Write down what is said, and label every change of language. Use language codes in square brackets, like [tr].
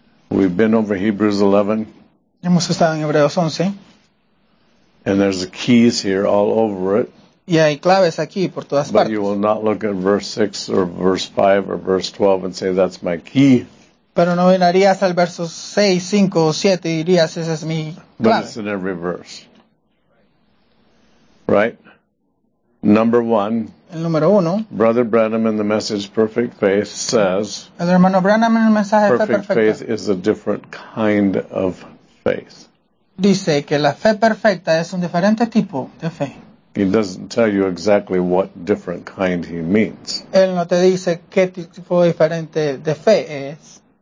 [en] We've been over Hebrews 11. [es] Hemos estado en Hebreos 11. [en] And there's the keys here all over it. [es] Y hay claves aquí por todas [en] but But you will not look at verse 6 or verse 5 or verse 12 and say, that's my key. [es] Pero no mirarías al verso 6, 5 o 7 y dirías, esa es mi clave. [en] But it's in every verse. Right? Number one. [es] El número uno. [en] Brother Branham in the message Perfect Faith says. [es] El hermano Branham en el mensaje [en] Perfect Faith. Perfect Faith is a different kind of faith. [es] Dice que la fe perfecta es un diferente tipo de fe. [en] He doesn't tell you exactly what different kind he means. [es] Él no te dice qué tipo diferente de fe es.